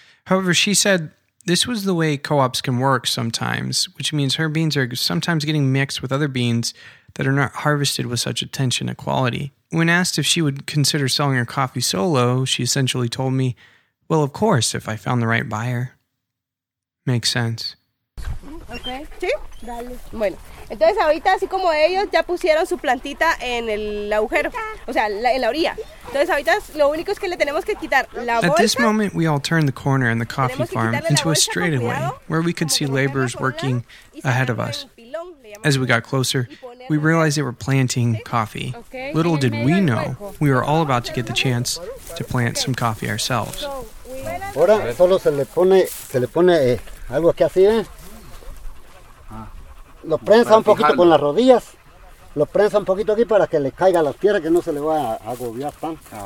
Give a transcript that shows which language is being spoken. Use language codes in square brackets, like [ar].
[en] However, she said, this was the way co-ops can work sometimes, which means her beans are sometimes getting mixed with other beans that are not harvested with such attention to quality. When asked if she would consider selling her coffee solo, she essentially told me, well, of course, if I found the right buyer. Makes sense. [es] Okay. Sí. Dale. Bueno, entonces ahorita así como ellos ya pusieron su plantita en el agujero, o sea, en la orilla. Entonces ahorita lo único es que le tenemos que quitar la bolsa. [en] At this moment, we all turned the corner in the coffee farm into a straightaway where we could see laborers working ahead of us. As we got closer, we realized they were planting coffee. Little did we know, we were all about to get the chance to plant some coffee ourselves. [es] Ahora solo se le pone algo aquí así, Lo prensa un poquito con las rodillas. Lo prensa un poquito aquí para que le caiga la tierra, que no se le va a agobiar tan.